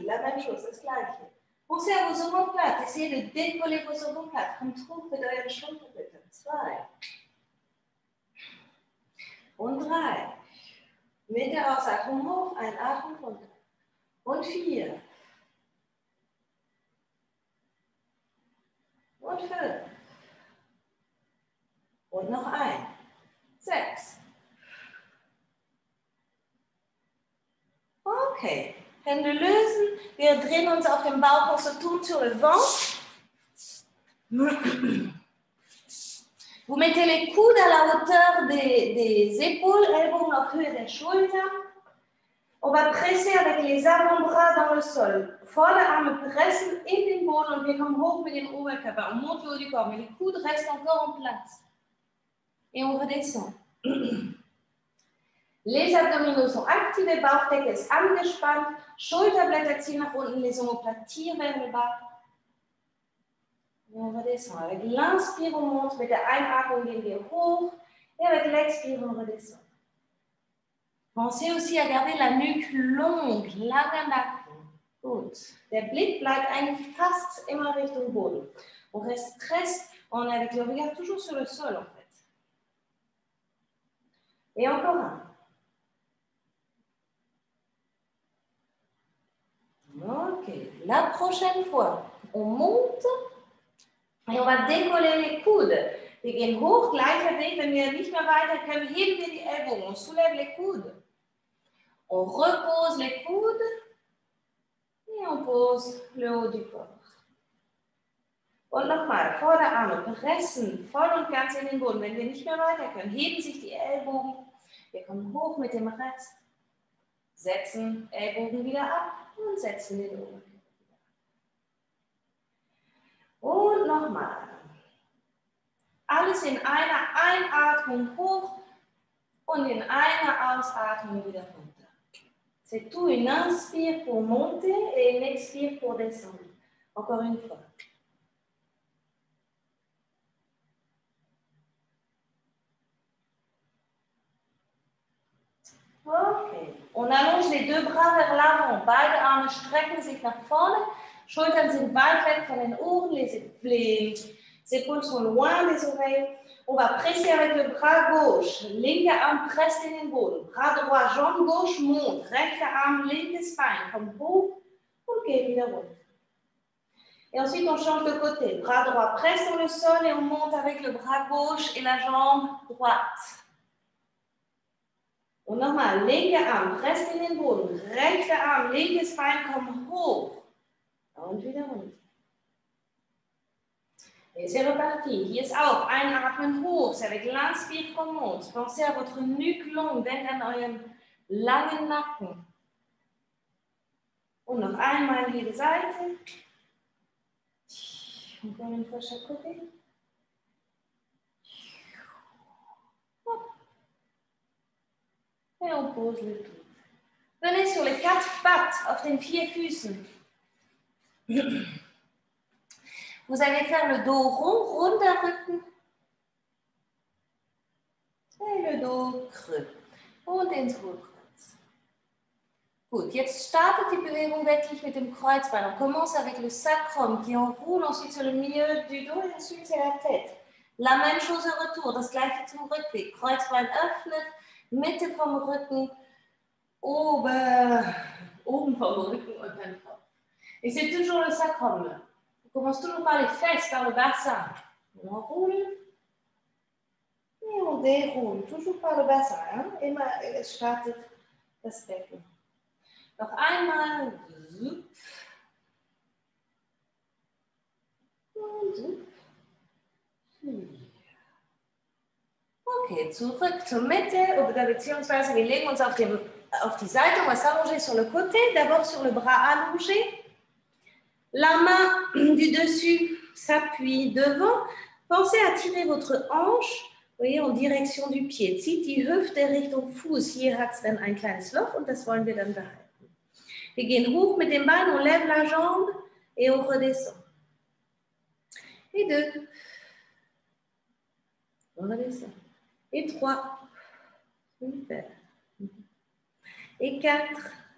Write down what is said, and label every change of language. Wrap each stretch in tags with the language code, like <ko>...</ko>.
<fr>La même chose, c'est cela. Pensez à vos omoplates, essayez de décoller vos omoplates, comme trop que derrière le champ peut-être.</fr> <de>Zwei. Und drei. Mit der Ausatmung hoch, ein Atem runter. Und vier. Und fünf. Und noch ein. Sechs. Okay. Hände lösen. Wir drehen uns auf dem Bauch aus der Tour</de> <fr>sur le ventre. Vous mettez les coudes à la hauteur des épaules,</fr> <de>Ellbogen auf Höhe der Schulter.</de> <fr>On va presser avec les avant-bras dans le sol.</fr> <de>Vorderarme pressen in den Boden und wir kommen hoch mit dem Oberkörper.</de> <fr>On monte le haut du corps, mais les coudes restent encore en place. Et on redescend. Les abdominaux sont activés,</fr> <de>Bauchdecke ist angespannt, Schulterblätter ziehen nach unten,</de> <fr>les omoplates tirent vers le bas. Et on redescend. Avec l'inspire, on monte,</fr> <de>mit der Einatmung gehen wir hoch.</de> <fr>Et avec l'expire, on redescend. Pensez aussi à garder la nuque longue,</fr> <de>lange Nacken. Gut. Der Blick bleibt eigentlich fast immer Richtung Boden.</de> <fr>On reste presque, on est avec le regard toujours sur le sol en fait. Et encore un. Ok, la prochaine fois, on monte et on va décoller les coudes.</fr> <de>Wir gehen hoch, gleicher Weg, wenn wir nicht mehr weiter können, heben wir die Ellbogen,</de> <fr>on soulève les coudes. On repose les coudes et on pose le haut du corps.</fr> <de>Und nochmal, Vorderarme pressen voll und ganz in den Boden. Wenn wir nicht mehr weiter können, heben sich die Ellbogen. Wir kommen hoch mit dem Rest. Setzen Ellbogen wieder ab. Und setzen den Oberkörper. Und nochmal. Alles in einer Einatmung hoch und in einer Ausatmung wieder runter.</de> <fr>C'est tout, une inspire pour monter et une expire pour descendre. Encore une fois. On allonge les deux bras vers l'avant.</fr> <de>Beide Arme strecken sich nach vorne. Schultern sind weit weg von den Ohren.</de> <fr>Les épaules sont loin des oreilles. On va presser avec le bras gauche.</fr> <de>Linker Arm presst in den Boden.</de> <fr>Bras droit, jambe gauche, monte.</fr> <de>Rechter Arm, linkes Bein. Komm hoch und geh wieder runter.</de> <fr>Et ensuite, on change de côté. Bras droit presse sur le sol et on monte avec le bras gauche et la jambe droite.</fr> <de>Und nochmal, linker Arm, presst in den Boden, rechter Arm, linkes Bein, komm hoch. Und wieder runter.</de> <fr>Et c'est reparti.</fr> <de>Hier ist auch einatmen hoch,</de> <fr>c'est avec l'inspire qu'on monte. Pensez à votre nuque longue,</fr> <de>denkt an euren langen Nacken. Und noch einmal jede Seite. Und dann ein frischer Kopf.</de> <fr>Et on pose le tout. Venez sur les quatre pattes,</fr> <de>auf den vier Füßen.</de> <fr>Vous allez faire le dos rond,</fr> <de>runder Rücken.</de> <fr>Et le dos creux.</fr> <de>Und ins Hohlkreuz. Gut, jetzt startet die Bewegung wirklich mit dem Kreuzbein.</de> <fr>On commence avec le sacrum qui enroule ensuite sur le milieu du dos et ensuite sur la tête. La même chose au retour,</fr> <de>das gleiche zum Rückweg. Kreuzbein öffnet. Mitte vom Rücken, oben vom Rücken und dann Kopf.</de> <fr>Et c'est toujours le sacrum. On commence toujours par les fesses, par le bassin. On enroule et on déroule, toujours par le bassin.</fr> <de>Hein? Immer startet das Becken. Noch einmal. Zoop. Und zoop. Okay, zurück zur Mitte, beziehungsweise wir legen uns auf die Seite,</de> <fr>on va s'allonger sur le côté, d'abord sur le bras allongé. La main du dessus s'appuie devant, Pensez à tirer votre hanche, voyez, en direction du pied.</fr> <de>Zieht die Hüfte Richtung Fuß. Hier hat es dann ein kleines Loch und das wollen wir dann behalten. Wir gehen hoch mit dem Bein,</de> <fr>on lève la jambe et on redescend. Et deux. On redescend. Et trois. Super. Et quatre.</fr>